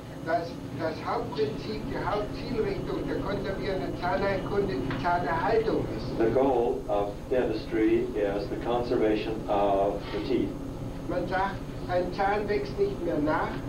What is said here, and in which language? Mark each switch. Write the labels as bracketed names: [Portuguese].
[German] Das Hauptprinzip, die Hauptzielrichtung der konservierenden Zahnheilkunde die Zahnerhaltung ist. [English] The goal of dentistry is the conservation of the teeth. [German] Man sagt, ein Zahn wächst nicht mehr nach.